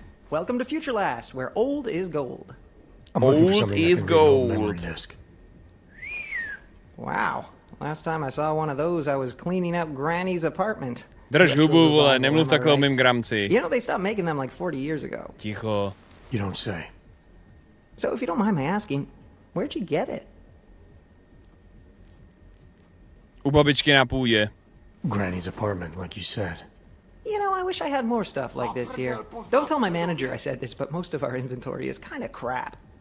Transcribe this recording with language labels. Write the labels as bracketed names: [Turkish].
[English] Welcome to Future Last, where old is gold. Old is gold. Wow. Last time I saw one of those, I was cleaning out Granny's apartment. [Czech] Drž hubu, vole, nemluv takhle o mým gramci. [English] You know, they stopped making them like 40 years ago. [Czech] Ticho. [English] You don't say. So if you don't mind my asking, where'd you get it? [Czech] U babičky na půdě. [English] Granny's apartment, like you said. You know, I wish I had more stuff like this here. Don't tell my manager I said this, but most of our inventory is kind of crap.